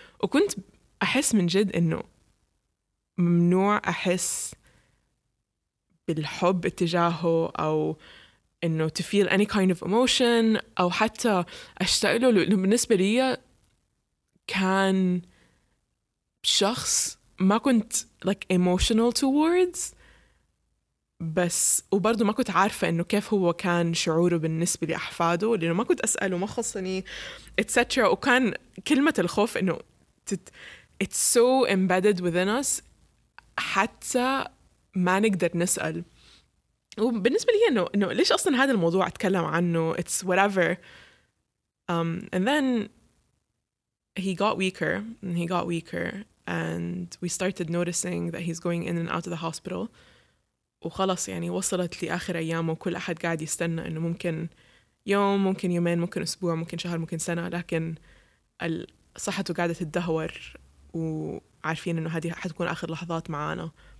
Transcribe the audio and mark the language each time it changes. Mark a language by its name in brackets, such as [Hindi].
[Arabic] وكنت أحس من جد إنه ممنوع أحس بالحب اتجاهه أو إنه [English] to feel any kind of emotion [Arabic] أو حتى أشتاق له، لأنه بالنسبة لي كان شخص ما كنت [English] like emotional towards، [Arabic] بس وبرضه ما كنت عارفة إنه كيف هو كان شعوره بالنسبة لأحفاده لأنه ما كنت أسأله ما خصني etc. وكان كلمة الخوف إنه [English] it's so embedded within us [Arabic] حتى ما نقدر نسأل. وبالنسبة لي إنه ليش أصلا هذا الموضوع أتكلم عنه [English] it's whatever. And then he got weaker and we started noticing that he's going in and out of the hospital. [Arabic] وخلص يعني وصلت لآخر أيامه وكل أحد قاعد يستنى إنه ممكن يوم ممكن يومين ممكن أسبوع ممكن شهر ممكن سنة، لكن صحته قاعدة تدهور وعارفين إنه هذه حتكون آخر لحظات معانا.